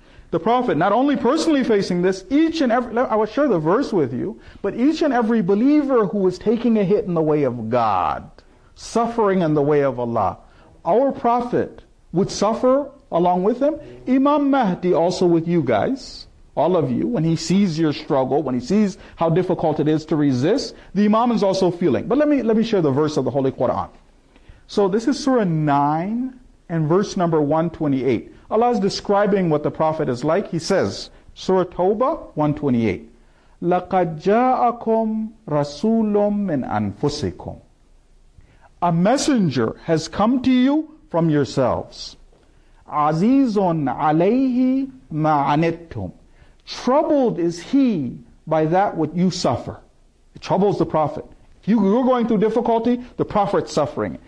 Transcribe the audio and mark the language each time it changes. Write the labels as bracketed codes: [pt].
[en] The Prophet, not only personally facing this, each and every, I will share the verse with you, but each and every believer who was taking a hit in the way of God, suffering in the way of Allah, our Prophet would suffer along with him. Imam Mahdi also with you guys, all of you, when he sees your struggle, when he sees how difficult it is to resist, the imam is also feeling. But let me share the verse of the Holy Quran. So this is Surah 9 and verse number 128. Allah is describing what the Prophet is like. He says, Surah Tawbah 128, [ar] لَقَدْ جَاءَكُمْ رَسُولٌ مِّنْ أَنفُسِكُمْ. [en] A messenger has come to you from yourselves. [ar] عَزِيزٌ عَلَيْهِ مَا عَنِتُّمْ. [en] Troubled is he by that which you suffer. It troubles the Prophet. You're going through difficulty, the Prophet's suffering.